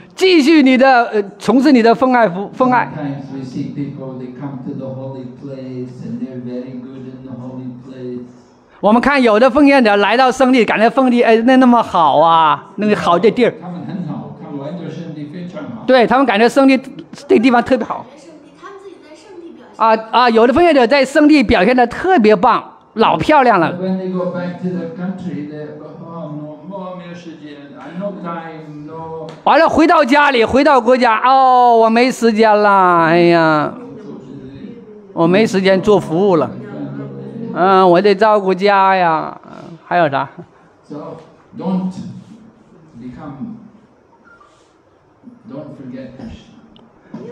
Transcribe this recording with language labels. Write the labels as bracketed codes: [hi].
[zh] 继续你的从事你的奉爱服奉爱。 [en] Sometimes we see people, they come to the holy place and they're very good in the holy place. [zh] 我们看有的奉献者来到圣地，感觉圣地哎那那么好啊，那个好的地儿。他们很好，他们完全圣地非常好。对他们感觉圣地这个地方特别好。他们自己在圣地表现。有的奉献者在圣地表现的特别棒。老漂亮了。 [en] When they go back to the country, they have no more [zh] 时间 [en] no time, no. [zh] 完了，回到家里，回到国家，哦，我没时间了，哎呀，我没时间做服务了，嗯，我得照顾家呀，还有啥 [en] ？So don't become, don't forget Krishna.